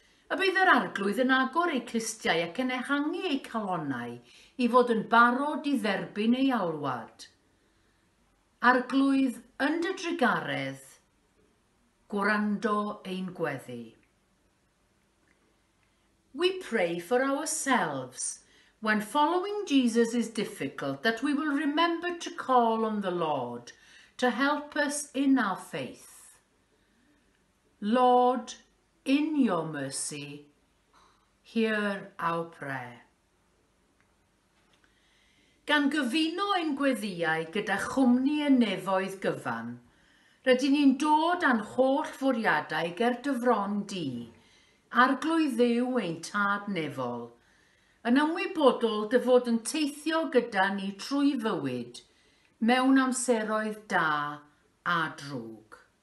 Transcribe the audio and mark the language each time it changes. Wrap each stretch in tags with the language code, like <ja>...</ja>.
<cy>Y bydd yr arglwydd yn agor eu clustiau ac yn ehangu eu calonnau I fod yn barod I dderbyn eu alwad. Arglwydd yn dy drigaredd, gwrando ein gweddi.</cy> <en>We pray for ourselves when following Jesus is difficult, that we will remember to call on the Lord to help us in our faith. Lord, in your mercy, hear our prayer.</en> <cy>Gan gyfuno ein gweddiau gyda chwmni y nefoedd gyfan, rydyn ni'n dod â'n holl fwriadau ger dy fron di, arglwydd Dduw ein tad nefol, yn ymwybodol dy fod yn teithio gyda ni trwy fywyd mewn amseroedd da a drwg.</cy>